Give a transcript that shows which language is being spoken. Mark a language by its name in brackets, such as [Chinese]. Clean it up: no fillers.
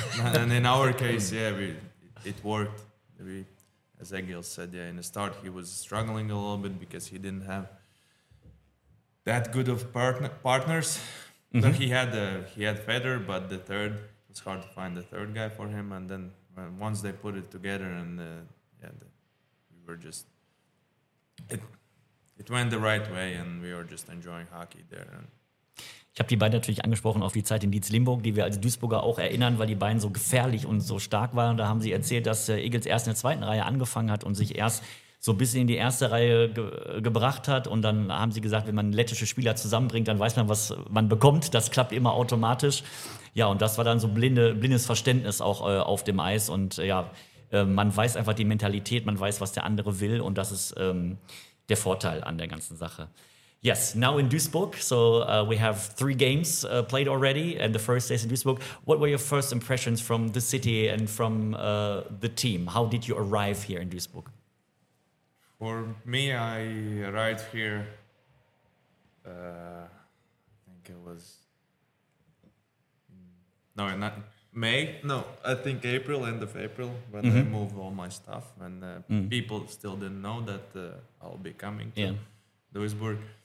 [English] And in our case, yeah, it worked. As Egil said, yeah, in the start he was struggling a little bit because he didn't have that good of partners. Mm-hmm. But he had Federer, but the third, it was hard to find the third guy for him. And then once they put it together, and we were just, it went the right way and we were just enjoying hockey there. And [German] ich habe die beiden natürlich angesprochen auf die Zeit in Dietz-Limburg, die wir als Duisburger auch erinnern, weil die beiden so gefährlich und so stark waren. Da haben sie erzählt, dass Egils erst in der zweiten Reihe angefangen hat und sich erst so ein bisschen in die erste Reihe gebracht hat. Und dann haben sie gesagt, wenn man lettische Spieler zusammenbringt, dann weiß man, was man bekommt. Das klappt immer automatisch. Ja, und das war dann so blindes Verständnis auch auf dem Eis. Und man weiß einfach die Mentalität, man weiß, was der andere will. Und das ist der Vorteil an der ganzen Sache. [English] Yes, now in Duisburg, so we have three games played already, and the first days in Duisburg. What were your first impressions from the city and from the team? How did you arrive here in Duisburg? For me, I arrived here, April, end of April, when mm-hmm. I moved all my stuff, and people still didn't know that I'll be coming to Duisburg.